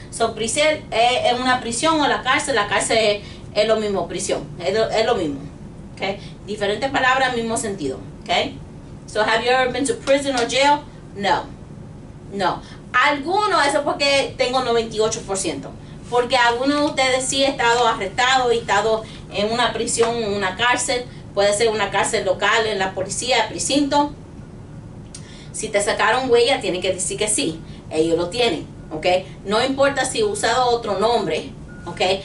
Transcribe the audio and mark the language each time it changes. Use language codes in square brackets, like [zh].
[es] So, prisión es una prisión o la cárcel es lo mismo, prisión. Es lo mismo. Okay? Diferente palabra, mismo sentido. Okay? [en] So, have you ever been to prison or jail? [es] No. No. Alguno, eso porque tengo 98%. Porque alguno de ustedes sí ha estado arrestado y estado en una prisión o una cárcel. Puede ser una cárcel local, en la policía, precinto. Si te sacaron huella, tiene que decir que sí. Ellos lo tienen, ¿ok? No importa si he usado otro nombre, ¿ok?